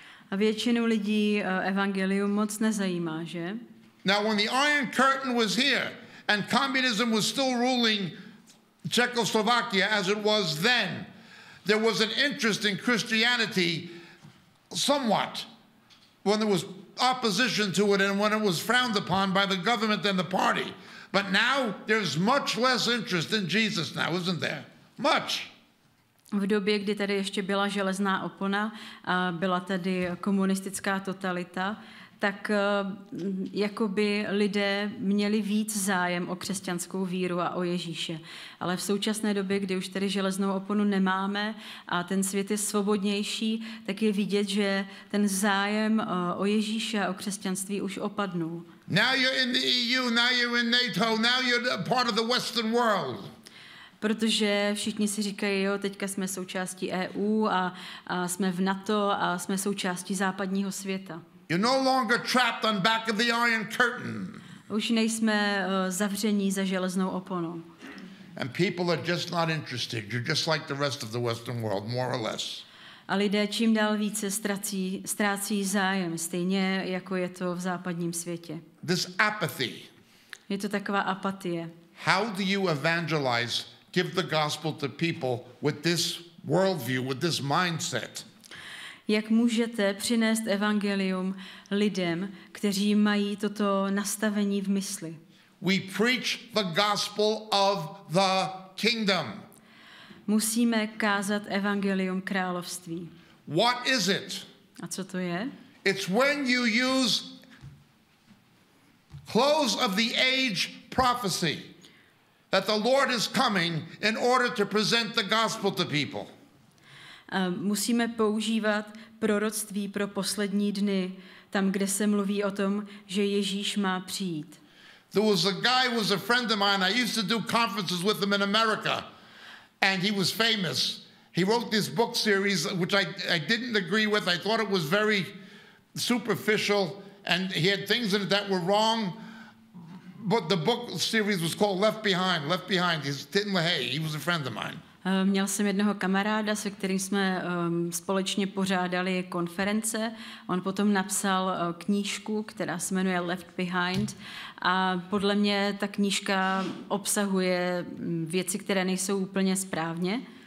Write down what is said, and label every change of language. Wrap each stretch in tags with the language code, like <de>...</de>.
<cs>A většinu lidí evangelium moc nezajímá, že?</cs> <en>Now, when the Iron Curtain was here and communism was still ruling Czechoslovakia as it was then, there was an interest in Christianity somewhat when there was opposition to it and when it was frowned upon by the government and the party. But now there's much less interest in Jesus now, isn't there? Much.</en> <cs>V době, kdy tady ještě byla železná opona a byla tady komunistická totalita, tak jakoby lidé měli víc zájem o křesťanskou víru a o Ježíše. Ale v současné době, kdy už tady železnou oponu nemáme a ten svět je svobodnější, tak je vidět, že ten zájem o Ježíše a o křesťanství už opadnul.</cs> <en>Now you're in the EU, now you're in NATO, now you're part of the Western world.</en> <cs>Protože všichni si říkají, jo, teďka jsme součástí EU a jsme v NATO a jsme součástí západního světa.</cs> <en>You're no longer trapped on back of the Iron Curtain.</en> <cs>Už nejsme zavření za železnou oponou.</cs> <en>And people are just not interested. You're just like the rest of the Western world, more or less.</en> <cs>A lidé čím dál více ztrácí zájem, stejně jako je to v západním světě.</cs> <en>This apathy.</en> <cs>Je to taková apatie.</cs> <en>How do you evangelize, give the gospel to people with this worldview, with this mindset?</en> <cs>Jak můžete přinést evangelium lidem, kteří mají toto nastavení v mysli?</cs> <en>We preach the gospel of the kingdom.</en> <cs>Musíme kázat evangelium království.</cs> <en>What is it?</en> <cs>A co to je?</cs> <en>It's when you use close of the age prophecy that the Lord is coming in order to present the gospel to people.</en> <cs>Musíme používat proroctví pro poslední dny, tam, kde se mluví o tom, že Ježíš má přijít.</cs> <en>There was a guy who was a friend of mine. I used to do conferences with him in America, and he was famous. He wrote this book series, which I didn't agree with. I thought it was very superficial, and he had things in it that were wrong. But the book series was called Left Behind. Left Behind. He's Tim LaHaye. He was a friend of mine.</en> <cs>Měl jsem jednoho kamaráda, se kterým jsme společně pořádali konference. On potom napsal knížku, která se jmenuje Left Behind. A podle mě ta knížka obsahuje věci, které nejsou úplně správně.</cs>